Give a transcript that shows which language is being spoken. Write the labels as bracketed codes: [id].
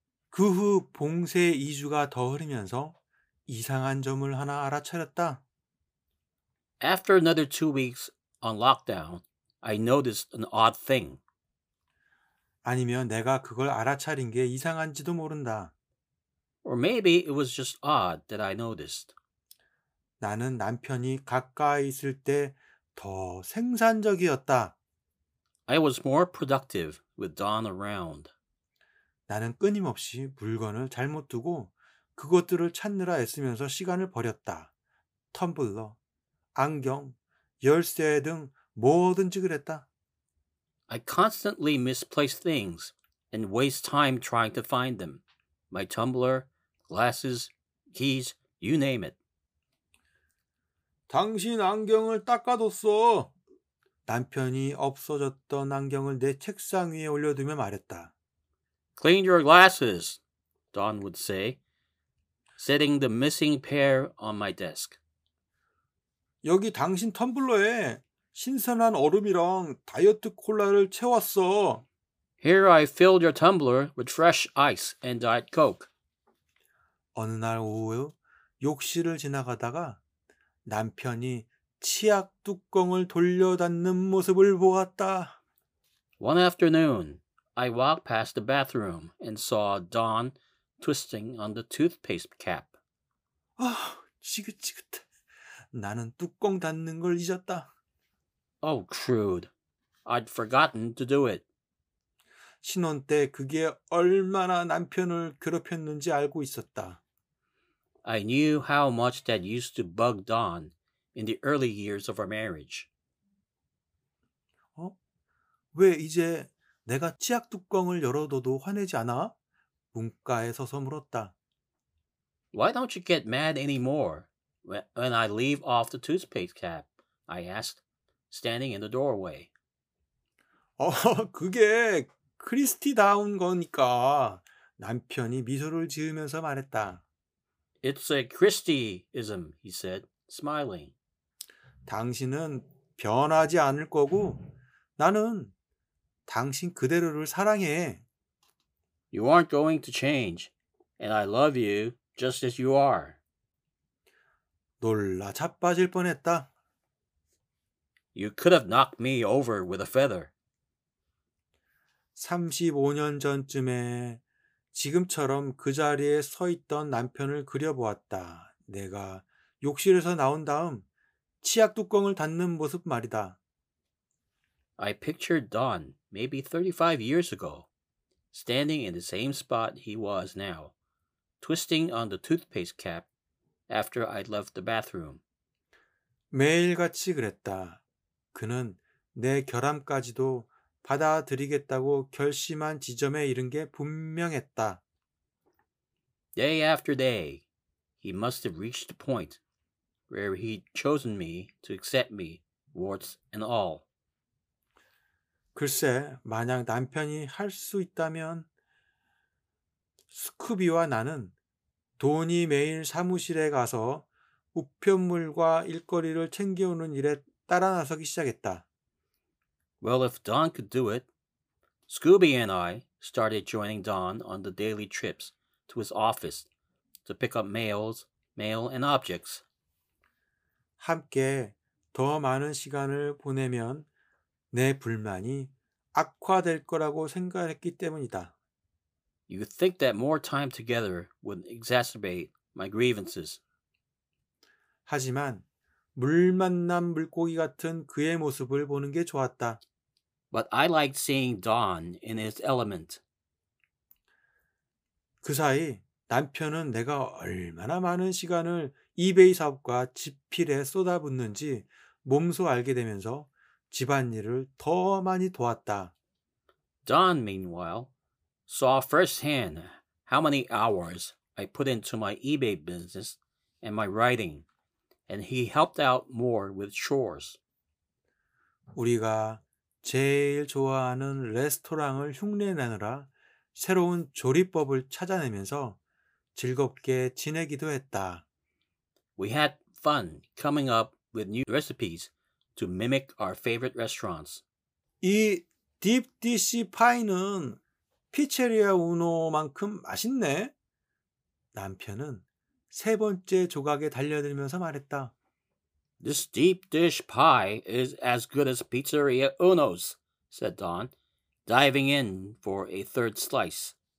[ko] 그 후 봉쇄 2주가 더 흐르면서 이상한 점을 하나 알아차렸다. [en] After another 2 weeks on lockdown, I noticed an odd thing. [ko] 아니면 내가 그걸 알아차린 게 이상한지도 모른다. [en] Or maybe it was just odd that I noticed. [ko] 나는 남편이 가까이 있을 때 더 생산적이었다. [en] I was more productive with Dawn around. [ko] 나는 끊임없이 물건을 잘못 두고 그것들을 찾느라 애쓰면서 시간을 버렸다. 텀블러, 안경, 열쇠 등 뭐든지 그랬다. [en] I constantly misplace things and waste time trying to find them. My tumbler, glasses, keys, you name it. [ko] 당신 안경을 닦아뒀어. 남편이 없어졌던 안경을 내 책상 위에 올려두며 말했다. [en] Cleaned your glasses, Don would say, setting the missing pair on my desk. [ko] 여기 당신 텀블러에 신선한 얼음이랑 다이어트 콜라를 채웠어. [en] Here I filled your tumbler with fresh ice and diet coke. [ko] 어느 날 오후 욕실을 지나가다가 남편이 치약 뚜껑을 돌려 닫는 모습을 보았다. [en] One afternoon, I walked past the bathroom and saw Dawn twisting on the toothpaste cap. [ko] 아, 지긋지긋해. 나는 뚜껑 닫는 걸 잊었다. [en] Oh, crude. I'd forgotten to do it. [ko] 신혼 때 그게 얼마나 남편을 괴롭혔는지 알고 있었다. [en] I knew how much that used to bug Dawn in the early years of our marriage. [ko] 어? 왜 이제 내가 치약 뚜껑을 열어둬도 화내지 않아? 문가에 서서 물었다. [en] Why don't you get mad anymore when I leave off the toothpaste cap? I asked, standing in the doorway. [ko] 어, 그게 크리스티다운 거니까. 남편이 미소를 지으면서 말했다. [en] It's a Christie-ism, he said, smiling. [ko] 당신은 변하지 않을 거고 나는 당신 그대로를 사랑해. [en] You aren't going to change, and I love you just as you are. [ko] 놀라 자빠질 뻔했다. [en] You could have knocked me over with a feather. [ko] 35년 전쯤에 지금처럼 그 자리에 서 있던 남편을 그려보았다. 내가 욕실에서 나온 다음 치약 뚜껑을 닫는 모습 말이다. [en] I pictured Don maybe 35 years ago, standing in the same spot he was now, twisting on the toothpaste cap after I'd left the bathroom. [ko] 매일같이 그랬다. 그는 내 결함까지도 받아들이겠다고 결심한 지점에 이른 게 분명했다. [en] Day after day, he must have reached the point where he'd chosen me to accept me, warts and all. [ko] 글쎄, 만약 남편이 할 수 있다면 스쿠비와 나는 돈이 매일 사무실에 가서 우편물과 일거리를 챙겨오는 일에 따라 나서기 시작했다. [en] Well, if Don could do it, Scooby and I started joining Don on the daily trips to his office to pick up mail and objects. [ko] 함께 더 많은 시간을 보내면 내 불만이 악화될 거라고 생각했기 때문이다. [en] You would think that more time together would exacerbate my grievances. [ko] 하지만 물 만난 물고기 같은 그의 모습을 보는 게 좋았다. [en] But I liked seeing Dawn in his element. [ko] 그 사이 남편은 내가 얼마나 많은 시간을 이베이 사업과 집필에 쏟아붓는지 몸소 알게 되면서 집안일을 더 많이 도왔다. [en] Dawn, meanwhile, saw firsthand how many hours I put into my eBay business and my writing, and he helped out more with chores. [ko] 우리가 제일 좋아하는 레스토랑을 흉내내느라 새로운 조리법을 찾아내면서 즐겁게 지내기도 했다. [en] We had fun coming up with new recipes to mimic our favorite restaurants. [ko] 이 딥 디시 파이는 피체리아 우노만큼 맛있네. 남편은 세 번째 조각에 달려들면서 말했다. [en] This deep dish pie is as good as Pizzeria Uno's, said Don, diving in for a third slice.